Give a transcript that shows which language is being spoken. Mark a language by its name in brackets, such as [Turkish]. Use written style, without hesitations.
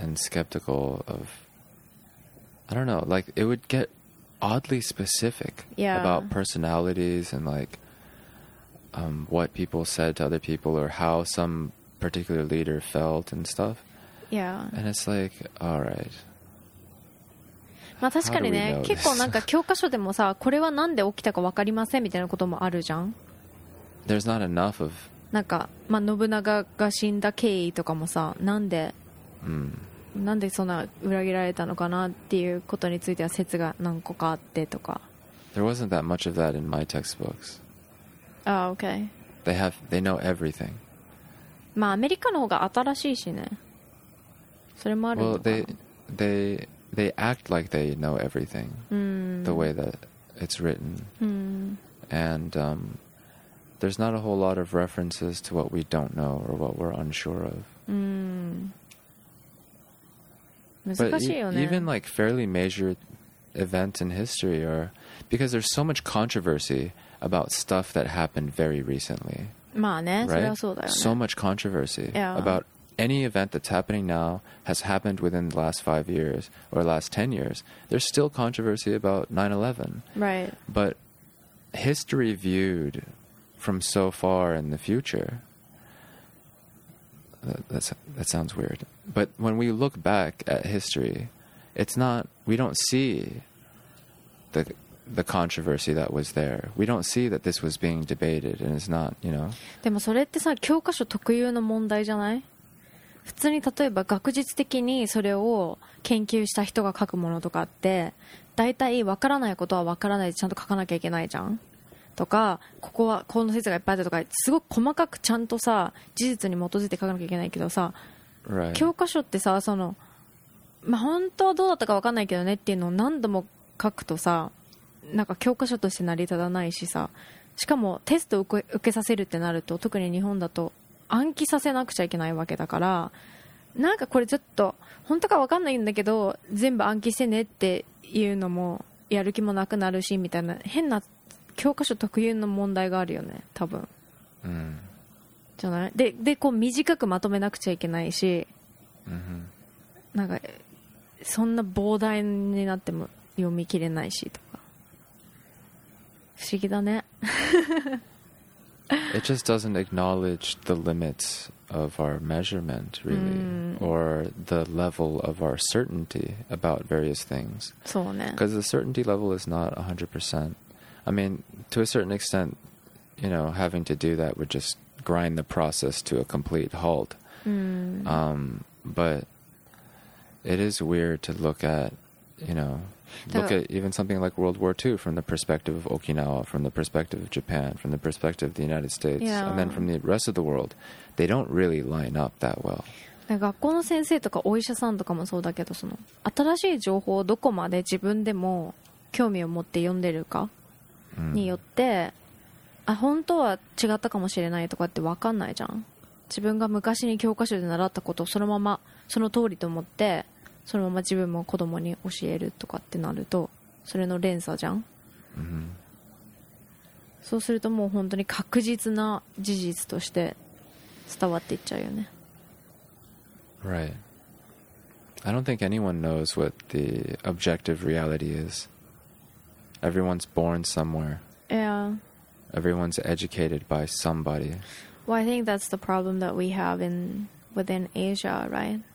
[English] skeptical of... I don't know, like, it would get oddly specific about personalities and, like, what people said to other people or how some particular leader felt and stuff. Yeah. And it's like, all right. [Japanese] まあ確かにね、結構なんか教科書でもさ、これはなんで起きたかわかりませんみたいなこともあるじゃん。 [English] There's not enough of... [Japanese] なんか、まあ信長が死んだ経緯とかもさ、なんで。なんでそんな裏切られたのかなっていうことについては説が何個かあってとか。 [English] There wasn't that much of that in my textbooks. Oh, okay. They know everything. [Japanese] まあアメリカの方が新しいしね。それもあるのかな。 [English] Well, they act like they know everything. The way that it's written. And there's not a whole lot of references to what we don't know or what we're unsure of. But even like fairly major events in history are because there's so much controversy about stuff that happened very recently. [Japanese] まあね、 [English] right? [Japanese] それはそうだよね。 [English] So much controversy yeah. about any event that's happening now has happened within the last 5 years or last 10 years. There's still controversy about 9/11. Right. But history viewed from so far in the future. That sounds weird. But when we look back at history, it's not, we don't see the controversy that was there. We don't see that this was being debated and it's not, you know. [Japanese] でもそれってさ、教科書特有の問題じゃない？普通に例えば学術的にそれを研究した人が書くものとかって、大体分からないことは分からないでちゃんと書かなきゃいけないじゃん。とかここはこの説がいっぱいあったとかすごく細かくちゃんとさ事実に基づいて書かなきゃいけないけどさ、 [English] right. [Japanese] 教科書ってさその、まあ、本当はどうだったか分かんないけどねっていうのを何度も書くとさなんか教科書として成り立たないしさしかもテストを受けさせるってなると特に日本だと暗記させなくちゃいけないわけだからなんかこれちょっと本当か分かんないんだけど全部暗記してねっていうのもやる気もなくなるしみたいな変な教科書特有の問題があるよね多分、じゃない？でこう短くまとめなくちゃいけないし、なんかそんな膨大になっても読み切れないしとか不思議だね [English] It just doesn't acknowledge the limits of our measurement, really, or the level of our certainty about various things. [Japanese] そうね。 [English] Because the certainty level is not 100%. I mean, to a certain extent, you know, having to do that would just grind the process to a complete halt. But it is weird to look at, you know, look at even something like World War II from the perspective of Okinawa, from the perspective of Japan, from the perspective of the United States, and then from the rest of the world. They don't really line up that well. [Japanese] 学校の先生とかお医者さんとかもそうだけど、その新しい情報をどこまで自分でも興味を持って読んでるかによって、あ、本当は違ったかもしれないとかって分かんないじゃん。自分が昔に教科書で習ったことをそのままその通りと思って、そのまま自分も子供に教えるとかってなると、それの連鎖じゃん、そうするともう本当に確実な事実として伝わっていっちゃうよね。 [English] Right. I don't think anyone knows what the objective reality is. Everyone's born somewhere. Yeah. Everyone's educated by somebody. Well, I think that's the problem that we have in within Asia, right?